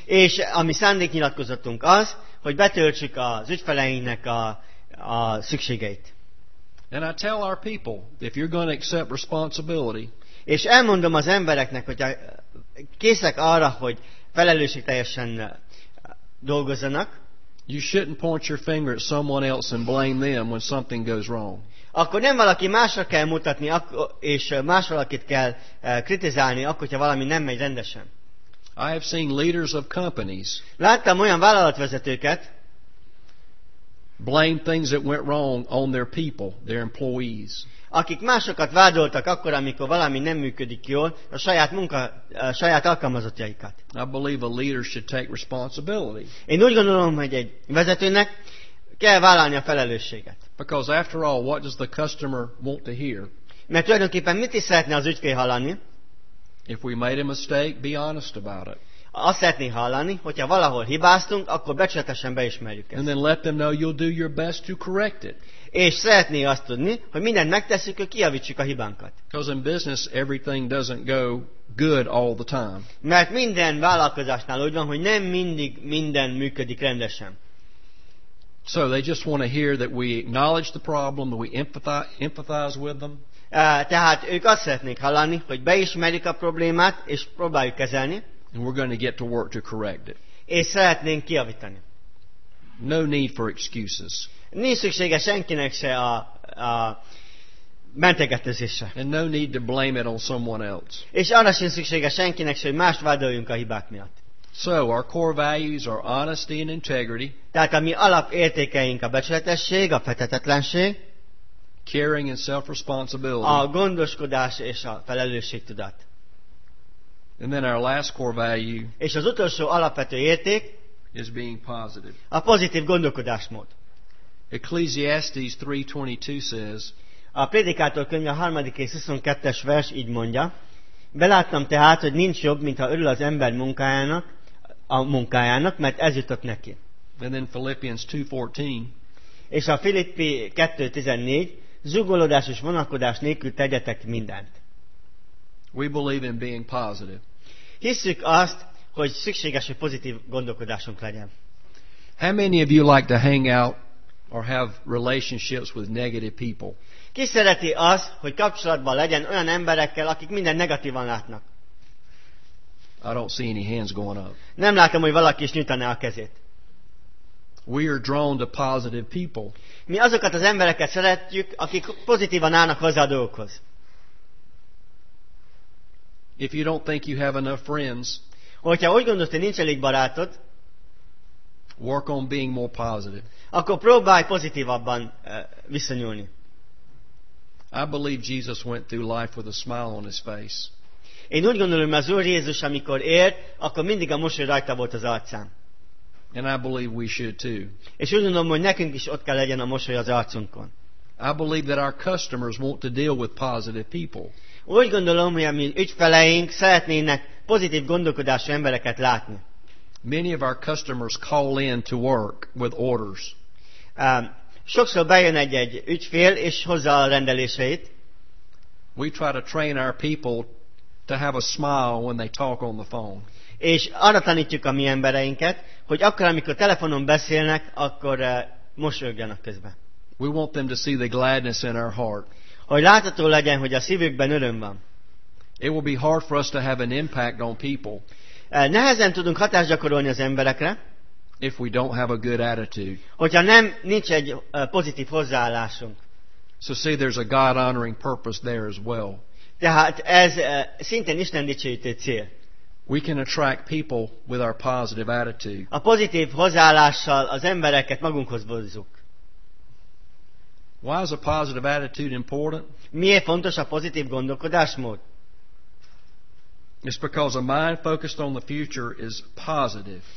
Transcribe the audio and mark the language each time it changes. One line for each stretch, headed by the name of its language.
Hungarian: És ami szándéknyilatkozatunk az, hogy betöltsük az ügyfeleinknek a szükségeit.
English: And I tell our people, if you're going to accept responsibility.
Hungarian: És elmondom az embereknek, hogy készek arra, hogy felelősségteljesen dolgozzanak.
English: You shouldn't point your finger at someone else and blame them when something goes wrong.
Hungarian: Akkor nem valaki másra kell mutatni, és más valakit kell kritizálni, akkor, hogyha valami nem megy rendesen.
English: I have seen leaders of companies.
Hungarian: Láttam olyan vállalatvezetőket.
English: Blame things that went wrong on their people, their employees.
Hungarian: Akik másokat vádoltak akkor, amikor valami nem működik jól, a saját munka, a saját alkalmazottjaikat.
English: I believe a leader should take responsibility.
Hungarian: Én úgy gondolom, hogy egy vezetőnek kell vállalni a felelősséget.
English: Because after all, what does the customer want to hear?
Hungarian: Mert tulajdonképpen mit is szeretne az ügyfél hallani?
English: If we made a mistake, be honest about it.
Hungarian: Azt szeretné hallani, hogyha valahol hibáztunk, akkor becsületesen beismerjük ezt.
English: And then let them know you'll do your best to correct it.
Hungarian: És szeretné azt tudni, hogy mindent megteszünk, hogy kijavítsuk a hibánkat.
English: Because in business everything doesn't go good all the time.
Hungarian: Mert minden vállalkozásnál úgy van, hogy nem mindig minden működik rendesen.
English: So they just want to hear that we acknowledge the problem, that we empathize with them.
Hungarian: Tehát ők azt szeretnék hallani, hogy beismerjük a problémát és próbáljuk kezelni.
English: And we're going to get to work to correct it.
Hungarian: És szeretnénk kijavítani.
English: No need for excuses.
Hungarian: Nincs szüksége senkinek se a mentegetőzésre.
English: And no need to blame it on someone else.
Hungarian: És arra sem szüksége senkinek se, hogy mást vádoljunk a hibák miatt.
English: So our core values are honesty and integrity.
Hungarian: Tehát a mi alapértékeink a becsületesség, a feltehetetlenség,
English: caring and self-responsibility.
Hungarian: A gondoskodás és a felelősségtudat.
English: And then our last core value.
Hungarian: És az utolsó alapvető érték
English: is being positive.
Hungarian: A pozitív gondolkodásmód.
English: Ecclesiastes 3:22 says.
Hungarian: A Prédikátor könyve 3. rész 22-es vers így mondja: Beláttam tehát, hogy nincs jobb, mint ha örül az ember munkájának, a munkájának, mert ez jutott neki.
English: And then Philippians 2:14.
Hungarian: És a Filippi 2:14, zugolódás és vonakodás nélkül tegyetek mindent.
English: We believe in being positive.
Hungarian: Hiszük azt, hogy szükséges, hogy pozitív gondolkodásunk legyen.
English: How many of you like to hang out or have relationships with negative people?
Hungarian: Ki szereti azt, hogy kapcsolatban legyen olyan emberekkel, akik minden negatívan látnak?
English: I don't see any hands going up.
Hungarian: Nem látom, hogy valaki is nyújtaná a kezét.
English: We are drawn to positive people.
Hungarian: Mi azokat az embereket szeretjük, akik pozitívan állnak hozzá a dolgokhoz.
English: If you don't think you have enough friends,
Hungarian: hogyha úgy gondolsz, hogy nincs elég barátod,
English: work on being more positive.
Hungarian: Akkor próbálj pozitívabban visszanyúlni.
English: I believe Jesus went through life with a smile on his face.
Hungarian: Én úgy gondolom, hogy az Úr Jézus, amikor élt, akkor mindig a mosoly rajta volt az arcán.
English: And I believe we should too.
Hungarian: És úgy gondolom, hogy nekünk is ott kell legyen a mosoly az arcunkon.
English: I believe that our customers want to deal with positive people.
Hungarian: Úgy gondolom, hogy a mi ügyfeleink szeretnének pozitív gondolkodású embereket látni.
English: Many of our customers call in to work with orders.
Hungarian: Sokszor bejön egy-egy ügyfél és hozza a rendeléseit.
English: We try to train our people to have a smile when they talk on the phone.
Hungarian: És arra tanítjuk a mi embereinket, hogy akkor, amikor telefonon beszélnek, akkor mosolyogjanak közben.
English: We want them to see the gladness in our heart.
Hungarian: Hogy látható legyen, hogy a szívükben öröm van.
English: It will be hard for us to have an impact on people.
Hungarian: Nehezen tudunk hatást gyakorolni az emberekre.
English: If we don't have a good attitude.
Hungarian: Hogyha nem nincs egy pozitív hozzáállásunk.
English: So see, there's a God-honoring purpose there as well.
Hungarian: Tehát ez szintén Isten dicsőítő cél.
English: We can attract people with our positive attitude.
Hungarian: A pozitív hozzáállással az embereket magunkhoz vonzuk.
English: Why is a positive attitude important?
Hungarian: Miért fontos a pozitív gondolkodásmód?
English: It's because a mind focused on the future is positive.